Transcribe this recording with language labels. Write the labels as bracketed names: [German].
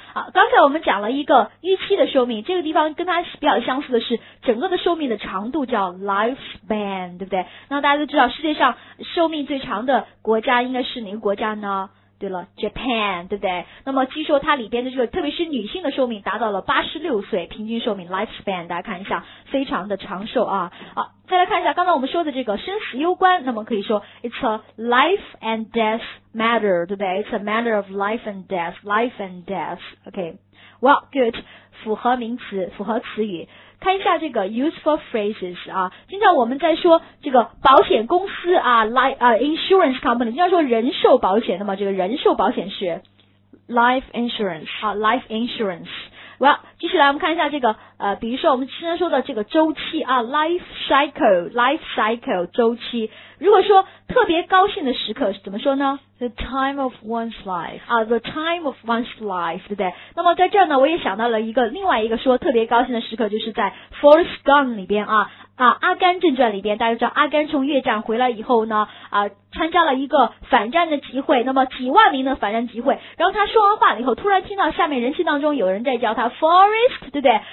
[Chinese] 啊，刚才我们讲了一个预期的寿命，这个地方跟它比较相似的是整个的寿命的长度叫 lifespan， 对不对？那大家都知道世界上寿命最长的国家应该是哪个国家呢？对了 ，Japan， 对不对？那么据说它里边的这个，特别是女性的寿命达到了86岁，平均寿命 lifespan， 大家看一下，非常的长寿啊。好，再来看一下刚才我们说的这个生死攸关，那么可以说 [English] it's a life and death matter， [Chinese] 对不对 ？ [English] It's a matter of life and death， [Chinese] life and death。 OK， well， good， 符合名词，符合词语。看一下这个 useful phrases 啊，经常我们在说这个保险公司啊 insurance company， 经常说人寿保险的嘛，这个人寿保险是 [English] life insurance，好 life insurance。 [Chinese] Well， 继续来我们看一下这个比如说我们经常说的这个周期啊 life cycle 周期，如果说特别高兴的时刻怎么说呢 [English] ？The time of one's life 啊 ，the time of one's life， [Chinese] 对不对？那么在这儿呢，我也想到了一个另外一个说特别高兴的时刻，就是在 Forrest Gump 里边啊。啊，阿甘正传里边，大家知道阿甘从越战回来以后呢，啊，参加了一个反战的集会，那么几万名的反战集会，然后他说完话了以后，突然听到下面人群当中有人在叫他 Forest， 对不对？